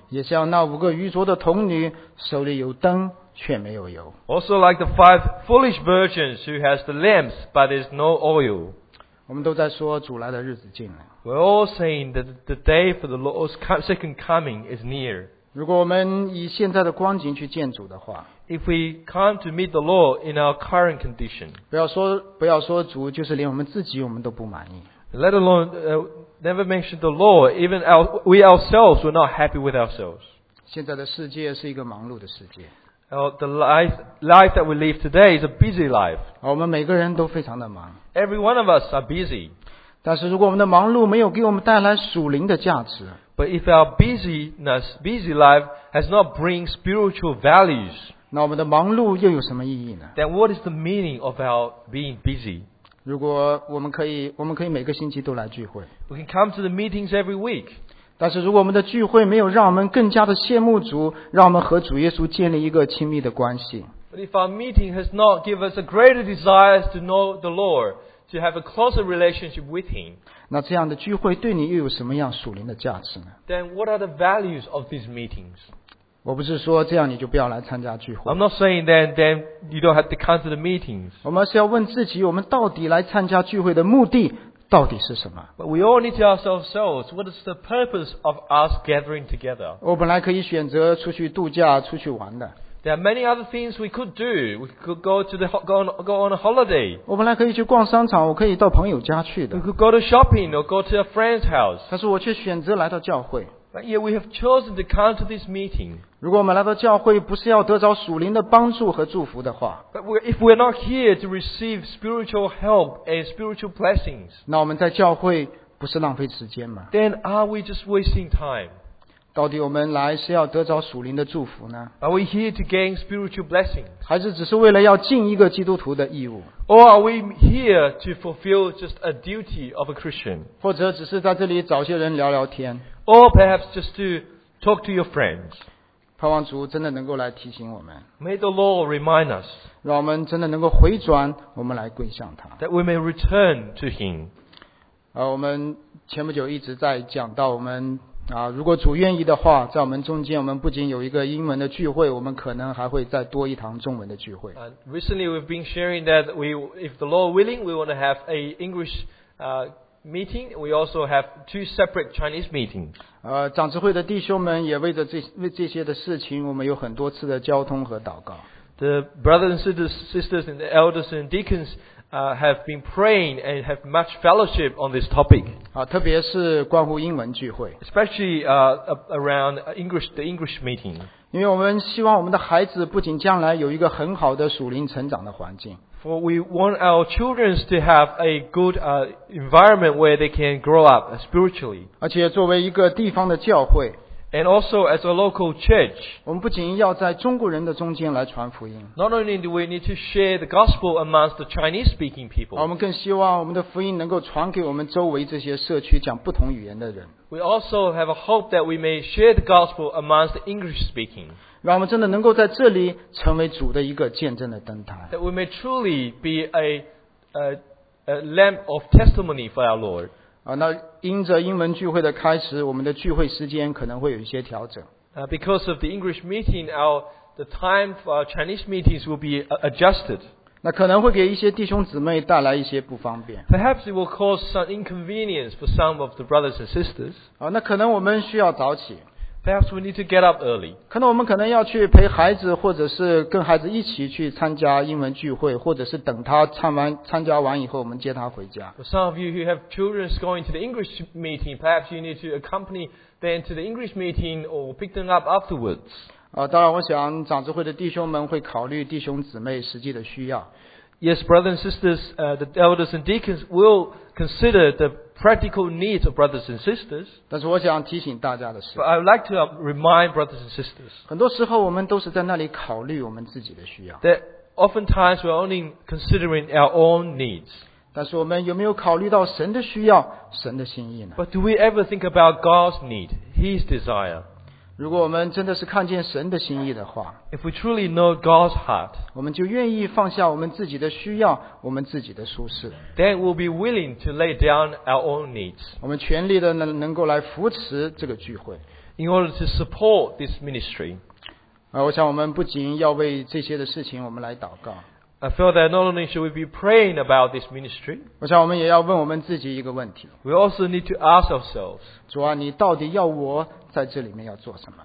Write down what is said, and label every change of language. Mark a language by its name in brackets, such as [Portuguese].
[English] Also like the five foolish virgins who has the lamps, but there's no oil. We're all saying that the day for the Lord's second coming is near. [Chinese] 如果我们以现在的光景去见主的话 [English] If we come to meet the Lord in our current condition, [Chinese] 不要说主就是连我们自己我们都不满意 [English] Let alone, never mention the Lord, even we ourselves were not happy with ourselves. [Chinese] 现在的世界是一个忙碌的世界 [English] The life that we live today is a busy life. [Chinese] 我们每个人都非常的忙 [English] Every one of us are busy. [Chinese] 但是如果我们的忙碌没有给我们带来属灵的价值 [English] But if our busy life has not bring spiritual values, [Chinese] 那我们的忙碌又有什么意义呢 [English] then what is the meaning of our being busy? [Chinese] 如果我们可以每个星期都来聚会 [English] We can come to the meetings every week. [Chinese] 但是如果我们的聚会没有让我们更加的羡慕主，让我们和主耶稣建立一个亲密的关系 [English] But if our meeting has not given us a greater desire to know the Lord, to have a closer relationship with Him, [Chinese] 那这样的聚会对你又有什么样属灵的价值呢 [English] Then what are the values of these meetings? [Chinese] 我不是说这样你就不要来参加聚会。 [English] I'm not saying that then you don't have to come to the meetings. [Chinese] 我们是要问自己我们到底来参加聚会的目的到底是什么 [English] But we all need to ask ourselves, what is the purpose of us gathering together? [Chinese] 我本来可以选择出去度假出去玩的。 [English] There are many other things we could do. We could go on a holiday. [Chinese] 我本来可以去逛商场，我可以到朋友家去的。 [English] We could go to shopping or go to a friend's house. [Chinese] 但是我却选择来到教会。 [English] But yet we have chosen to come to this meeting. [Chinese] 如果我们来到教会不是要得着属灵的帮助和祝福的话。 [English] But if we're not here to receive spiritual help and spiritual blessings. [Chinese] 那我们在教会不是浪费时间吗 [English] Then are we just wasting time? [Chinese] 到底我们来是要得着属灵的祝福呢 [English] Are we here to gain spiritual blessings? [Chinese] 还是只是为了要尽一个基督徒的义务 [English] Or are we here to fulfill just a duty of a Christian? [Chinese] 或者只是在这里找些人聊聊天 [English] Or perhaps just to talk to your friends? [Chinese] 盼望主真的能够来提醒我们 [English] May the Lord remind us [Chinese] 让我们真的能够回转我们来归向他 [English] That we may return to Him [Chinese] 我们前不久一直在讲到我们如果主愿意的话在我们中间我们不仅有一个英文的聚会我们可能还会再多一堂中文的聚会。 [English] Recently we've been sharing that if the Lord willing, we want to have an English meeting. We also have two separate Chinese meetings. [Chinese] 长执会的弟兄们也为这些的事情我们有很多次的交通和祷告。 [English] The brothers and sisters and the elders and deacons,have been praying and have much fellowship on this topic. [Chinese] 特别是关乎英文聚会。 [English] Especially, around the English meeting. [Chinese] 因为我们希望我们的孩子不仅将来有一个很好的属灵成长的环境。 [English] For we want our children to have a good, environment where they can grow up spiritually. [Chinese] 而且作为一个地方的教会。 [English] And also as a local church, [Chinese] 我们不仅要在中国人的中间来传福音。 [English] Not only do we need to share the gospel amongst the Chinese-speaking people, [Chinese] 我们更希望我们的福音能够传给我们周围这些社区讲不同语言的人。 [English] We also have a hope that we may share the gospel amongst the English-speaking, [Chinese] 让我们真的能够在这里成为主的一个见证的灯台。 [English] That we may truly be a lamp of testimony for our Lord. [Chinese] 那因着英文聚会的开始，我们的聚会时间可能会有一些调整。 [English] Because of the English meeting, the time for our Chinese meetings will be adjusted. [Chinese] 那可能会给一些弟兄姊妹带来一些不方便。 [English] Perhaps it will cause some inconvenience for some of the brothers and sisters. [Chinese] 那可能我们需要早起。 [English] Perhaps we need to get up early. [Chinese] 可能我们可能要去陪孩子，或者是跟孩子一起去参加英文聚会，或者是等他参加完以后，我们接他回家。 [English] For some of you who have children going to the English meeting, perhaps you need to accompany them to the English meeting or pick them up afterwards. [Chinese] 当然，我想长子会的弟兄们会考虑弟兄姊妹实际的需要。 [English] Yes, brothers and sisters, the elders and deacons will consider the practical needs of brothers and sisters. [Chinese] 但是我想提醒大家的是， [English] But I would like to remind brothers and sisters. [Chinese] 很多时候我们都是在那里考虑我们自己的需要。 [English] That oftentimes we're only considering our own needs. [Chinese] 但是我们有没有考虑到神的需要，神的心意呢？ [English] But do we ever think about God's need, His desire? [Chinese] 如果我们真的是看见神的心意的话， [English] If we truly know God's heart, [Chinese] 我们就愿意放下我们自己的需要，我们自己的舒适。 [English] Then we'll be willing to lay down our own needs. [Chinese] 我们全力的能够来扶持这个聚会。 [English] In order to support this ministry, [Chinese] 我想我们不仅要为这些的事情我们来祷告。 [English] I feel that not only should we be praying about this ministry, [Chinese] 我想我们也要问我们自己一个问题。 [English] We also need to ask ourselves, [Chinese] 主啊，你到底要我在这里面要做什么？